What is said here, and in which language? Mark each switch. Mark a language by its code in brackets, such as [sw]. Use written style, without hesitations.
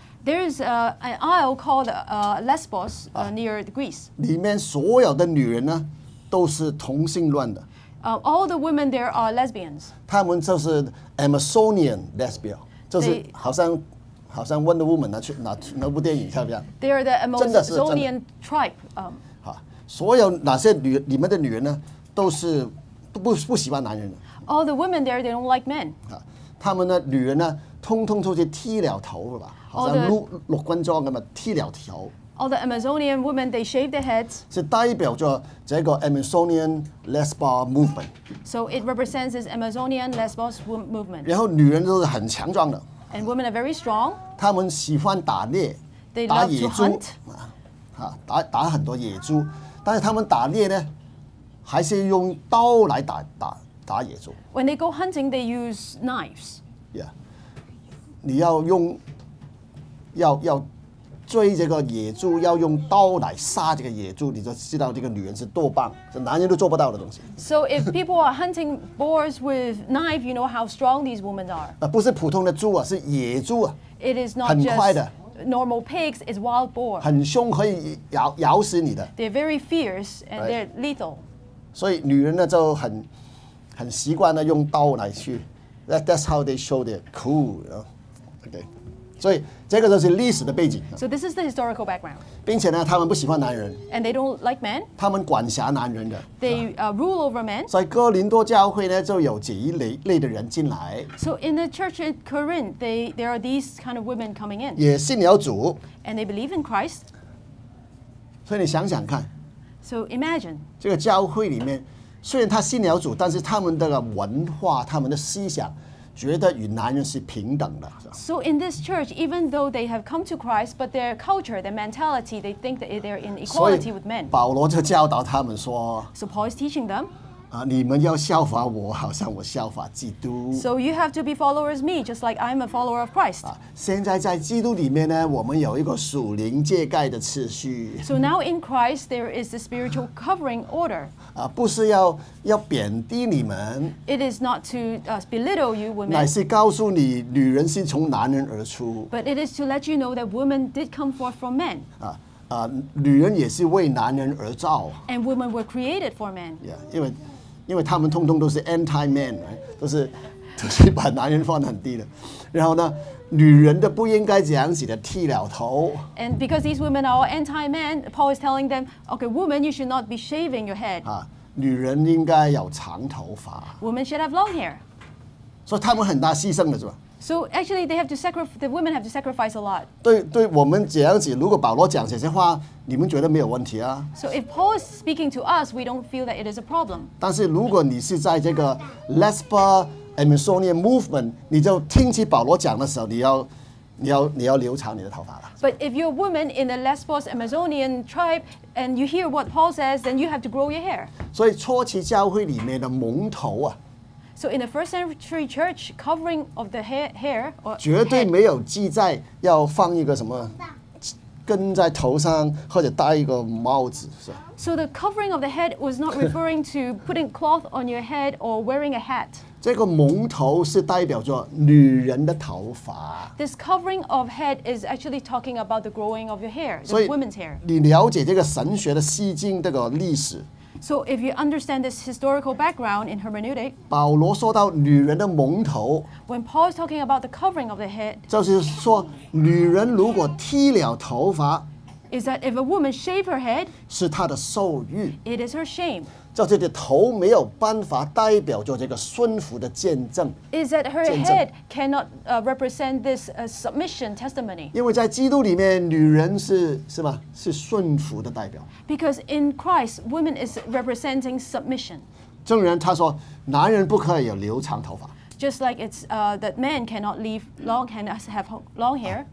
[en] There is an isle called Lesbos near Greece. [zh] 里面所有的女人呢，都是同性恋的。 [en] All the women there are lesbians. [zh] 她们就是 Amazonian lesbian， 就是好像 Wonder Woman 那部电影，像不像？ [en] They are the Amazonian tribe. [zh] 所有哪些里面的女人呢，都是不喜欢男人的。 [en] All the women there, they don't like men. [zh] 他们呢，女人呢，通通都是剃了头的吧？好像陆军装那么剃了头。 [en] All the Amazonian women, they shave their heads. [zh] 是代表着这个 [en] Amazonian Lesbos movement. So it represents this Amazonian Lesbos movement. [zh] 然后女人都是很强壮的。 [en] And women are very strong. [zh] 他们喜欢打猎， [en] they love [zh] 打野猪， [en] to hunt. [zh] 打很多野猪，但是他们打猎呢，还是用刀来打野猪。 [en] When they go hunting, they use knives. Yeah. [zh] 你要用要追这个野猪，要用刀来杀这个野猪，你就知道这个女人是多棒，是男人都做不到的东西。 [en] So if people are hunting boars with knife, you know how strong these women are. [zh] 不是普通的猪啊，是野猪啊。 [en] It is not [zh] 很快的。 [en] Normal pigs is wild boar. [zh] 很凶，可以咬死你的。 [en] They're very fierce and they're lethal. [zh] 所以女人呢就很习惯的用刀来去。 [en] That's how they show their cool, you know? Okay. [zh] 所以这个就是历史的背景。 [en] So this is the historical background. [zh] 并且呢，他们不喜欢男人。 [en] And they don't like men. [zh] 他们管辖男人的。 [en] They rule over men. [zh] 所以哥林多教会呢，就有这一类的人进来。 [en] So in the church in Corinth, there are these kind of women coming in. [zh] 也信了主。 [en] And they believe in Christ. [zh] 所以你想想看。 [en] So imagine. [zh] 这个教会里面，虽然他信了主，但是他们的文化、他们的思想。觉得与男人是平等的。 [en] So in this church, even though they have come to Christ, but their culture, their mentality, they think that they're in equality with men. [zh] 保罗就教导他们说。 [en] So Paul is teaching them. [zh] 你们要效法我，好像我效法基督。 [en] So you have to be followers me, just like I'm a follower of Christ. [zh] 现在在基督里面呢，我们有一个属灵界盖的次序。 [en] So now in Christ, there is the spiritual covering order. [zh] 不是 要贬低你们。 [en] It is not to belittle you women. [zh] 乃是告诉你，女人是从男人而出。 [en] But it is to let you know that women did come forth from men. [zh] 女人也是为男人而造。 [en] And women were created for men. [zh] Yeah, 因为他们通通都是 [en] anti-man, right? [zh] 都是把男人放很低的。然后呢，女人的不应该这样子的剃了头。 [en] And because these women are all anti-man, Paul is telling them, okay, woman, you should not be shaving your head. [zh] 啊，女人应该有长头发。 [en] Women should have long hair. [zh] 所以他们很大牺牲的是吧？ [en] So actually, they have to sacrifice. The women have to sacrifice a lot. [zh] 对，我们这样子，如果保罗讲这些话，你们觉得没有问题啊 [en] ？So if Paul is speaking to us, we don't feel that it is a problem. [zh] 但是如果你是在这个 [en] Lesbian Amazonian movement, [zh] 你就听起保罗讲的时候，你要留长你的头发了。 [en] But if you're a woman in the Lesbos Amazonian tribe and you hear what Paul says, then you have to grow your hair. [zh] 所以初期教会里面的蒙头啊。 [en] So in the first century church, covering of the hair, [zh] 绝对没有记载要放一个什么根在头上或者戴一个帽子，是吧 [en] ？So the covering of the head was not referring to putting cloth on your head or wearing a hat. [zh] 这个蒙头是代表着女人的头发。 [en] This covering of head is actually talking about the growing of your hair, the women's hair. [zh] 你了解这个神学的细经这个历史。 [en] So if you understand this historical background in hermeneutic, [zh] 保罗说到女人的蒙头 [en] when Paul is talking about the covering of the head, [zh] 就是说女人如果剃了头发 [en] is that if a woman shave her head, [zh] 是她的受辱 [en] it is her shame. [zh] 就是头没有办法代表着这个顺服的见证 [en] is that her head cannot represent this submission testimony. [zh] 因为在基督里面女人是顺服的代表 [en] Because in Christ, women is representing submission. [zh] 正如他说，男人不可以有留长头发。 [en] Just like it's that man cannot leave long, cannot have long hair.